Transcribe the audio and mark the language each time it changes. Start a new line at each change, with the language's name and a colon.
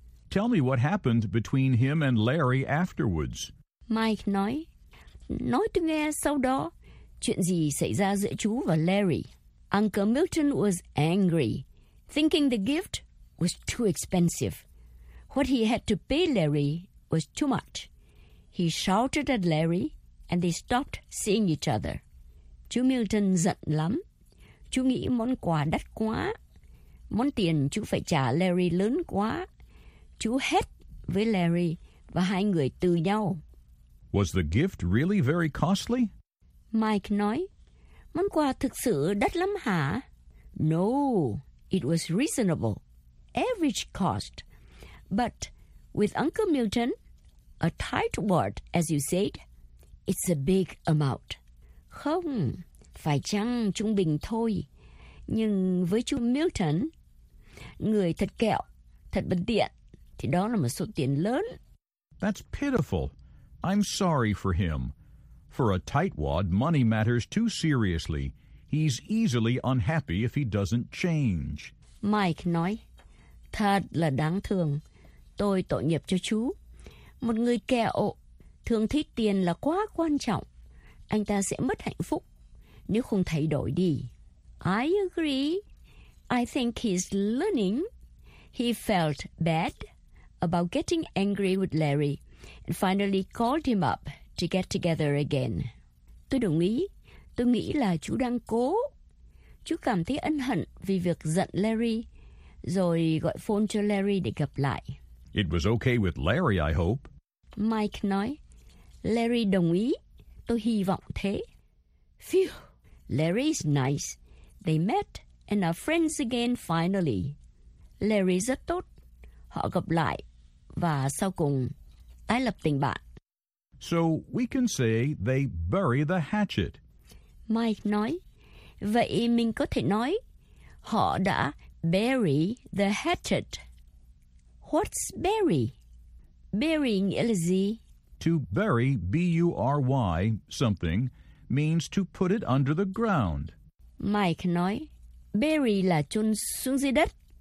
English: Tell me what happened between him and Larry afterwards.
Vietnamese: Mike nói, nói tôi nghe sau đó, chuyện gì xảy ra giữa chú và Larry?
English: Uncle Milton was angry, thinking the gift was too expensive. What he had to pay Larry was too much. He shouted at Larry, and they stopped seeing each other.
Vietnamese: Chú Milton giận lắm. Chú nghĩ món quà đắt quá. Món tiền chú phải trả Larry lớn quá. Chú hét với Larry và hai người từ nhau.
English: Was the gift really very costly?
Vietnamese: Mike nói, món quà thực sự đắt lắm hả?
English: No, it was reasonable. Average cost. But with Uncle Milton, a tight word, as you said, it's a big amount.
Vietnamese: Không, phải chăng trung bình thôi. Nhưng với chú Milton, người thật kẹo, thật bất tiện, thì đó là một số tiền lớn.
English: That's pitiful. I'm sorry for him. For a tightwad, money matters too seriously. He's easily unhappy if he doesn't change.
Vietnamese: Mike nói, thật là đáng thương. Tôi tội nghiệp cho chú. Một người kẹo, thường thích tiền là quá quan trọng. Anh ta sẽ mất hạnh phúc nếu không thay đổi đi.
English: I agree. I think he's learning. He felt bad about getting angry with Larry and finally called him up to get together again.
Vietnamese: Tôi đồng ý. Tôi nghĩ là chú đang cố. Chú cảm thấy ân hận vì việc giận Larry, rồi gọi phone cho Larry để gặp lại.
English: It was okay with Larry, I hope.
Vietnamese: Mike nói, Larry đồng ý. Tôi hy vọng thế.
English: Phew, Larry's nice. They met and are friends again finally.
Vietnamese: Larry rất tốt. Họ gặp lại và sau cùng tái lập tình bạn.
English: So we can say they bury the hatchet.
Vietnamese: Mike nói, vậy mình có thể nói họ đã
English: bury the hatchet. What's bury?
Vietnamese: Bury nghĩa là gì?
English: To bury, B-U-R-Y, something, means to put it under the ground.
Vietnamese: Mike nói, bury là chôn xuống dưới đất.